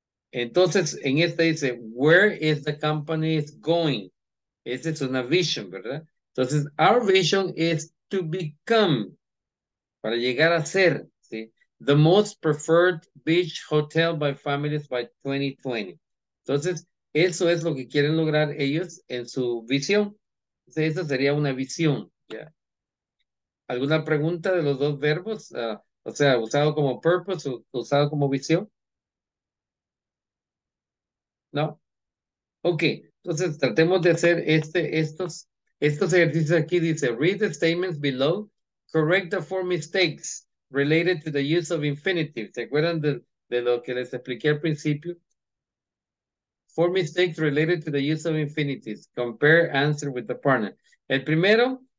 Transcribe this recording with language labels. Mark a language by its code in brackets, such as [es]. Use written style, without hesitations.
[es] Entonces, en este dice, [en] where is the company going? [es] Esa es una vision, ¿verdad? Entonces, [en] our vision is to become, [es] para llegar a ser, ¿sí? [en] The most preferred beach hotel by families by 2020. [es] Entonces, eso es lo que quieren lograr ellos en su visión. Entonces, esa sería una visión, ¿ya? ¿Alguna pregunta de los dos verbos? O sea, ¿usado como purpose o usado como visión? ¿No? Ok, entonces tratemos de hacer estos ejercicios aquí. Dice, [en] read the statements below, correct the 4 mistakes related to the use of infinitive. [es] ¿Se acuerdan de lo que les expliqué al principio? [en] 4 mistakes related to the use of infinitives. Compare answer with the partner. [es] El primero,